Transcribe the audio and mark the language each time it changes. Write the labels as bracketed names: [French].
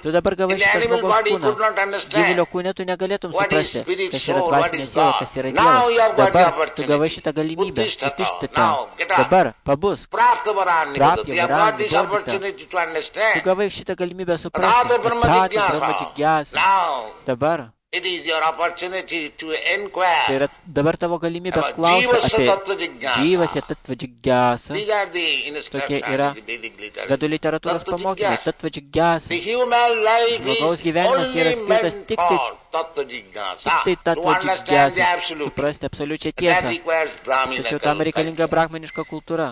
[Lithuanian] Tu dabar gavai šitą žmogaus kūną. Gyvulio kūne tu negalėtum suprasti, kas yra dvasinė siela, kas yra Dievas. Dabar tu gavai šitą galimybę. [Sanskrit] Uttishtata. [Lithuanian] Dabar pabus. [Sanskrit] Prapivarani buddhata. [Lithuanian] Tu gavai šitą galimybę suprasti. [Sanskrit] Pratu brahma jigyasa. [Lithuanian] Dabar. [English] It is your opportunity to inquire. [Lithuanian] Tai yra dabar tavo galimybė klausti apie [Sanskrit] gyvasya tatva jigyasa. [Lithuanian] Tokie yra Vedų literatūros pamokymai. [Sanskrit] Tatva jigyasa. [Lithuanian] Žmogaus gyvenimas yra skirtas tik tai [Sanskrit] tatva jigyasa. [Lithuanian] Suprasti absoliučią tiesą. Tačiau tam reikalinga brahmaniška kultūra.